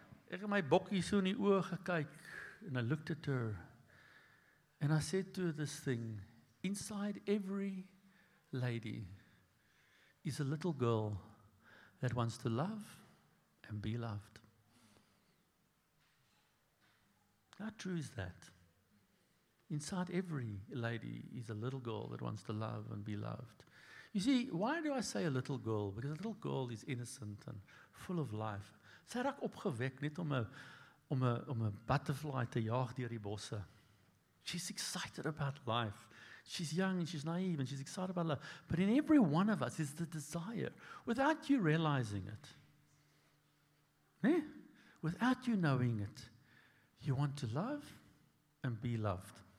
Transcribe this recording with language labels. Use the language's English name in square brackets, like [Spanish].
[Afrikaans] Ek het my bokkie so in die oë gekyk, [English] and I looked at her, and I said to her this thing, inside every lady is a little girl that wants to love and be loved. How true is that? Inside every lady is a little girl that wants to love and be loved. You see, why do I say a little girl? Because a little girl is innocent and full of life. [Afrikaans] Sy raak opgewek net om 'n butterfly te jaag deur die bosse. [English] She's excited about life. She's young and she's naive and she's excited about love. But in every one of us is the desire, without you realizing it. Eh? Without you knowing it, you want to love and be loved.